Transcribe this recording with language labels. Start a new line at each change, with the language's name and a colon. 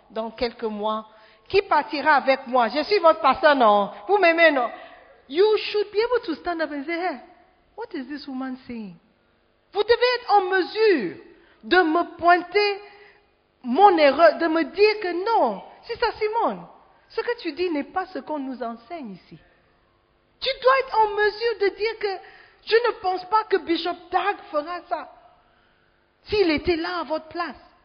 French: Dans quelques mois, qui partira avec moi? Je suis votre pasteur, non? Vous m'aimez, non?
English: You should be able to stand up and say, hey, what is this woman saying?
French: Vous devez être en mesure de me pointer mon erreur, de me dire que non, c'est ça, Simone. Ce que tu dis n'est pas ce qu'on nous enseigne ici. Tu dois être en mesure de dire que je ne pense pas que Bishop Doug fera ça s'il était là à votre place.